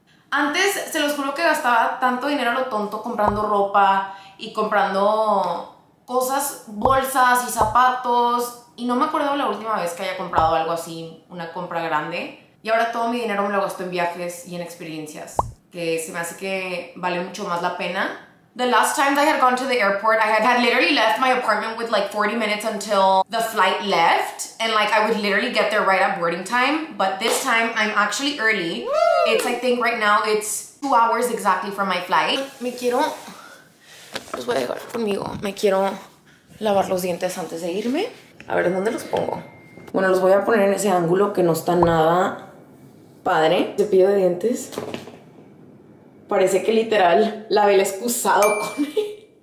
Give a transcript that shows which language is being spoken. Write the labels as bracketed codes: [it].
[es] Antes, se los juro que gastaba tanto dinero a lo tonto comprando ropa y comprando cosas, bolsas y zapatos. Y no me acuerdo la última vez que haya comprado algo así, una compra grande. Y ahora todo mi dinero me lo gasto en viajes y en experiencias, que se me hace que vale mucho más la pena. [en] The last time I had gone to the airport, I had literally left my apartment with like 40 minutes until the flight left. And like, I would literally get there right at boarding time. But this time, I'm actually early. It's, I think right now, it's 2 hours exactly from my flight. [es] Me quiero... Los voy a dejar conmigo. Me quiero lavar los dientes antes de irme. A ver, ¿dónde los pongo? Bueno, los voy a poner en ese ángulo que no está nada padre. Cepillo de dientes. Parece que literal lavé el excusado con él.